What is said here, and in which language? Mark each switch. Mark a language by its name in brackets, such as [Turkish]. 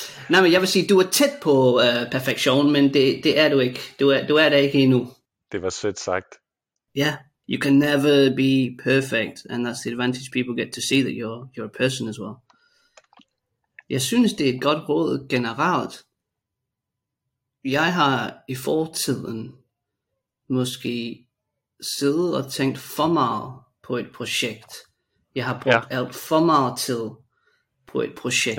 [Danish] Nej, men jeg vil sige, du er tæt på perfektion, men det er du ikke. Du er der ikke endnu. Det var sødt sagt. Ja. Yeah. [English] You can never be perfect, and that's the advantage people get to see that you're a person as well. [Danish] Jeg synes, det er et godt råd generelt. Jeg har i fortiden måske siddet og tænkt for meget på et projekt. Jeg har brugt alt for meget tid på et projekt.